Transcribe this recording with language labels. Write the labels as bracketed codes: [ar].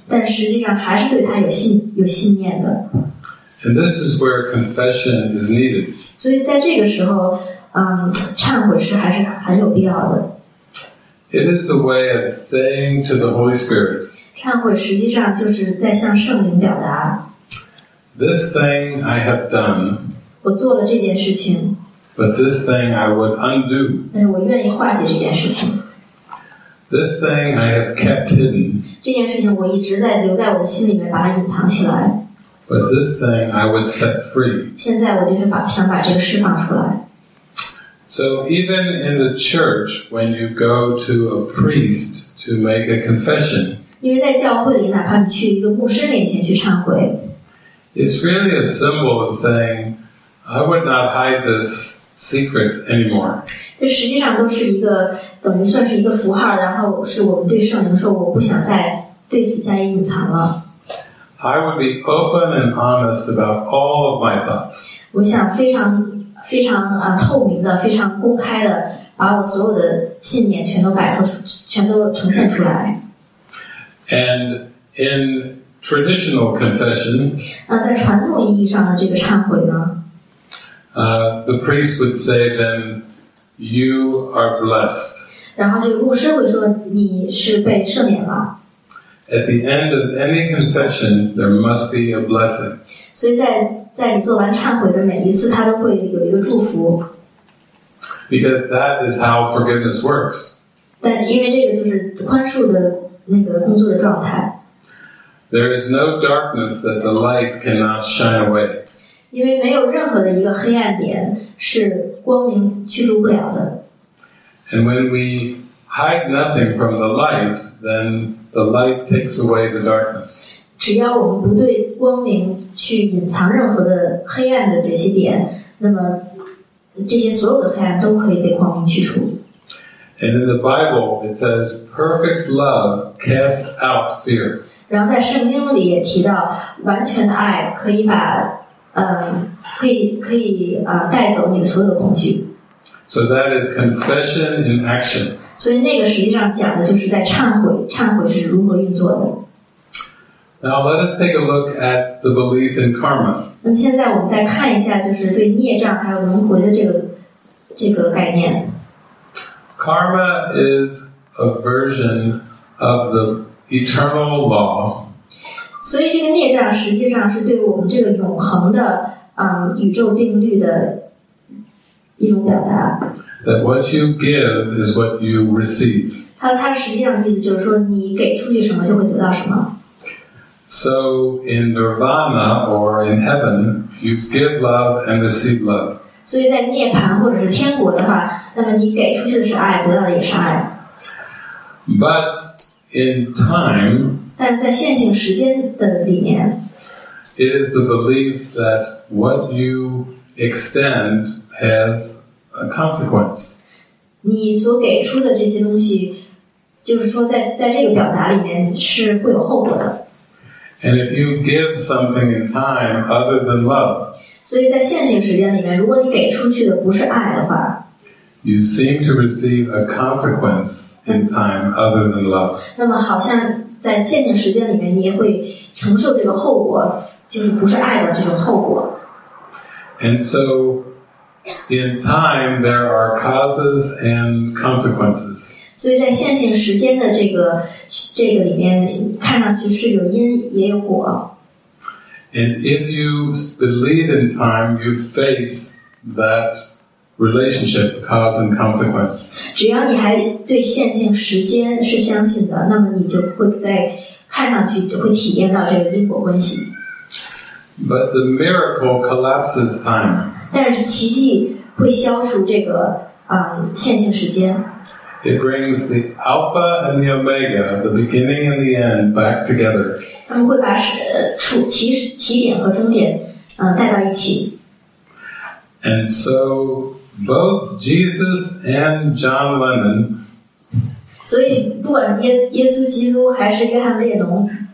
[zh] 但实际上还是对它有信, 有信念的。 [en] And this is where confession is needed. [zh] 所以在这个时候，忏悔是还是很有必要的。 [en] It is a way of saying to the Holy Spirit, [zh] 忏悔实际上就是在向圣灵表达。 [en] This thing I have done, [zh] 我做了这件事情。 [en] But this thing I would undo. [zh] 但是我愿意化解这件事情。 [en] This thing I have kept hidden. [zh] 这件事情我一直在留在我的心里面把它隐藏起来。 [en] But this thing I would set free. [zh] 现在我就是想把这个释放出来。 [en] So even in the church, when you go to a priest to make a confession, [zh] 因为在教会里，哪怕你去一个牧师面前去忏悔， [en] it's really a symbol of saying, I would not hide this secret anymore. [zh] 这实际上都是一个，等于算是一个符号，然后是我们对圣灵说，我不想再对此加以隐藏了。 [en] I would be open and honest about all of my thoughts. [zh] 我想非常透明的，非常公开的，把我所有的信念全都摆脱出，全都呈现出来。 [en] And in traditional confession, [zh] 那在传统意义上的这个忏悔呢？ [en] The priest would say, "Then you are blessed." [zh] 然后这个牧师会说，你是被赦免了。 [en] At the end of any confession, there must be a blessing. [zh] 所以在你做完忏悔的每一次，它都会有一个祝福。 [en] Because that is how forgiveness works. [zh] 但因为这个就是宽恕的那个工作的状态。 [en] There is no darkness that the light cannot shine away. [zh] 因为没有任何的一个黑暗点是光明驱逐不了的。 [en] And when we hide nothing from the light, then the light takes away the darkness. [zh] 只要我们不对光明去隐藏任何的黑暗的这些点，那么这些所有的黑暗都可以被光明驱除。 [en] And in the Bible, it says, "Perfect love casts out fear." [zh] 然后在圣经里也提到，完全的爱可以把带走你的所有的恐惧。 [en] So that is confession in action. [zh] 所以那个实际上讲的就是在忏悔，忏悔是如何运作的。 [en] Now let us take a look at the belief in karma. [zh] 那么现在我们再看一下，就是对孽障还有轮回的这个概念。 [en] Karma is a version of the eternal law. [zh] 所以这个孽障实际上是对我们这个永恒的宇宙定律的。一种表达。 [en] That what you give is what you receive. [zh] 它实际上的意思就是说，你给出去什么就会得到什么。 [en] So in nirvana or in heaven, you give love and receive love. [zh] 所以在涅槃或者是天国的话，那么你给出去的是爱，得到的也是爱。 [en] But in time, [zh] 但在现行时间的里面， [en] it is the belief that what you extend. Has a consequence. [zh] 你所给出的这些东西，就是说在这个表达里面是会有后果的。 [en] And if you give something in time other than love, [zh] 所以在现行时间里面，如果你给出去的不是爱的话， [en] you seem to receive a consequence in time other than love. [zh] 那么好像在现行时间里面，你也会承受这个后果，就是不是爱的这种后果。 [en] And so. In time, there are causes and consequences. [zh] 所以在现行时间的这个里面，看上去是有因也有果。 [en] And if you believe in time, you face that relationship, cause and consequence. [zh] 只要你还对现行时间是相信的，那么你就会在看上去就会体验到这个因果关系。 [en] But the miracle collapses time. [zh] 但是奇迹会消除这个线性时间。 [en] It brings the alpha and the omega, the beginning and the end, back together. [zh] 他们会把起点和终点带到一起。 [en] And so both Jesus and John Lennon. [zh] 所以不管耶稣基督还是约翰列侬。